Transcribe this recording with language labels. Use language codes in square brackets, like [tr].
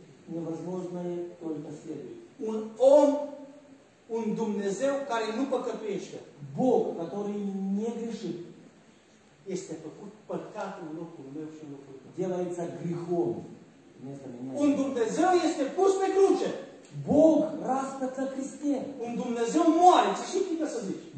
[ru] невозможно только следует. [ro] Un om, un Dumnezeu care nu păcătuiește. [ru] Бог, который не грешит. [ro] Este făcut păcatul în locul meu și în locul tău. [ru] Делается грехом вместо меня. [ro] Un Dumnezeu este pus pe cruce. [ru] Бог распят на кресте. [ro] Un Dumnezeu moare, ce știi că să zici?